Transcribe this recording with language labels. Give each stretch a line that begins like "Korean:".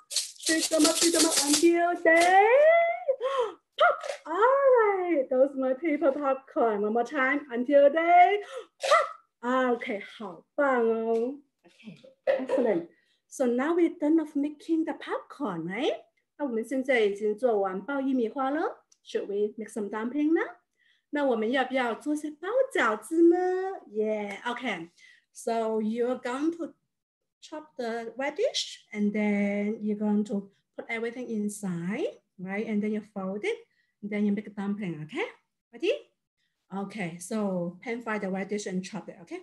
English: Shake them up until they pop. All right, those are my paper popcorn. One more time, until they pop. Okay,
Chinese: 好棒哦.
English: Okay, excellent. So now we're done of making the popcorn, right?
Chinese: 那我们现在已经做完爆玉米花了.
English: Should we make some dumpling 呢?
Chinese: 那我们要不要做些包饺子呢?
English: Yeah, okay. So you're going to chop the radish, and then you're going to put everything inside, right? And then you fold it. Then you make a dumpling, okay? Ready? Okay, so pan fry the radish and chop it, okay?